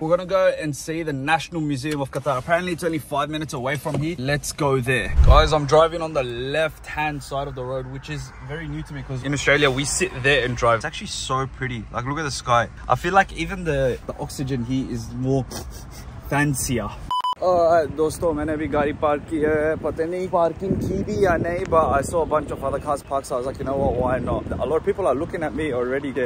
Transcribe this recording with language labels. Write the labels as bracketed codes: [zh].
[en] We're going to go and see the National Museum of Qatar. Apparently, it's only 5 minutes away from here. Let's go there. Guys, I'm driving on the left-hand side of the road, which is very new to me because in Australia we sit there and drive. It's actually so pretty. Like, look at the sky. I feel like even the oxygen here is more fancier. [ur] Alright, دوستو، میں نے بھی گاڑی park کی ہے۔ پتا نہیں parking کی بھی یا نہیں، [en] but I saw a bunch of other cars parked, so I was like, you know what, why not? A lot of people are looking at me already.